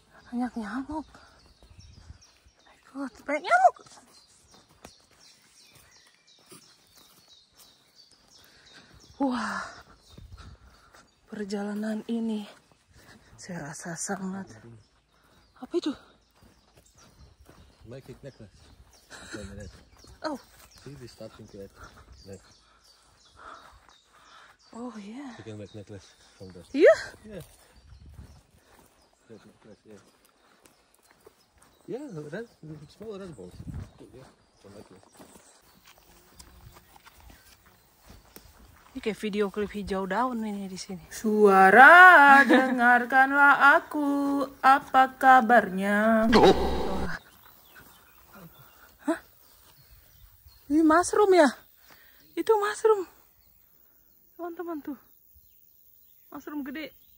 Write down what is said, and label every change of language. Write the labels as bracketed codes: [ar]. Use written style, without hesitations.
[id] Banyak nyamuk. Ikut, banyak nyamuk. Wah. Perjalanan ini saya rasa sangat apa itu? [en] Make it necklace. Oh. See this starting to make neck. Oh yeah. You can make necklace from this. Yeah. Yeah. Necklace, yeah. Yeah, red, small red balls. Yeah, for necklace. [id] Ini kayak video klip hijau daun ini di sini. Suara, dengarkanlah aku. Apa kabarnya? Oh. Hah? Ini mushroom ya? Itu mushroom. Teman-teman tuh. Mushroom gede.